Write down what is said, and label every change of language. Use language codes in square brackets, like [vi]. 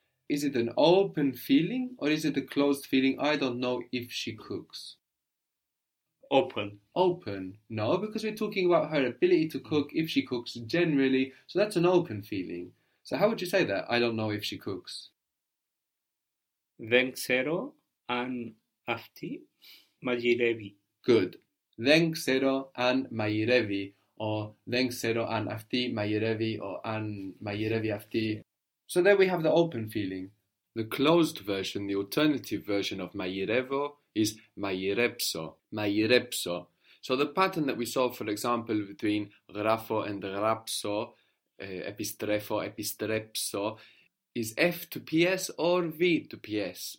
[en] Is it an open feeling or is it a closed feeling? I don't know if she cooks. Open. Open. No, because we're talking about her ability to cook, if she cooks generally. So that's an open feeling. So how would you say that? I don't know if she cooks. [el] Δεν ξέρω αν αυτή μαγειρεύει. [en] Good. [el] Δεν ξέρω αν μαγειρεύει. Or δεν ξέρω αν αυτή μαγειρεύει or αν μαγειρεύει αυτή. [en] So there we have the open feeling. The closed version, the alternative version of μαγειρεύω is μαγειρέψω, μαγειρέψω. So the pattern that we saw, for example, between γράφω and γράψω, επιστρέφω, επιστρέψω, is F to PS or V to PS.